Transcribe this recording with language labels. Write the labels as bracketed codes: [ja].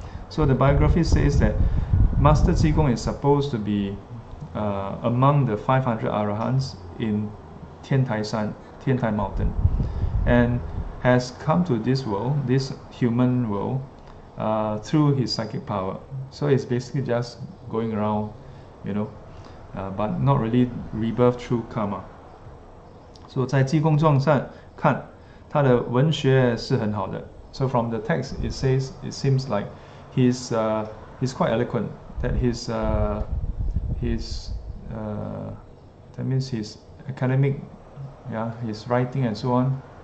[en] So the biography says that Master Qigong is supposed to be among the 500 Arahants in Tiantai San, Tiantai Mountain, and has come to this world, this human world, through his psychic power. So it's basically just going around, but not really rebirth through karma. [zh] So 在济公传上看，他的文学是很好的。 [en] So from the text, it says it seems like he's quite eloquent. That that means his academic, his writing and so on.